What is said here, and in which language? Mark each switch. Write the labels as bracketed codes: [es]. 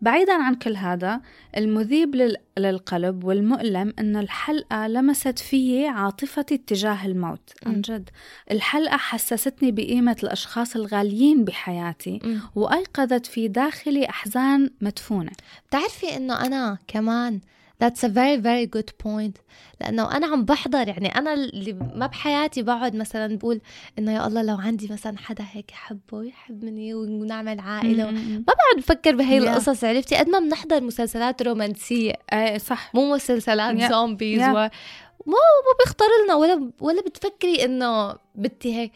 [ar] بعيدا عن كل هذا، المذيب للقلب والمؤلم أن الحلقة لمست فيي عاطفتي اتجاه الموت. عن جد الحلقة حسستني بقيمة الأشخاص الغاليين بحياتي وأيقظت في داخلي أحزان مدفونة. بتعرفي أنه أنا كمان [en] That's a very very good point. [ar] لأنه أنا عم بحضر، يعني أنا اللي ما بحياتي بقعد مثلا بقول إنه يا الله لو عندي مثلا حدا هيك يحبه ويحبني ونعمل عائلة ما بقعد بفكر بهي القصص. عرفتي قد ما بنحضر مسلسلات رومانسية صح، مو مسلسلات زومبيز ومو بيخطر لنا ولا بتفكري إنه بدي هيك.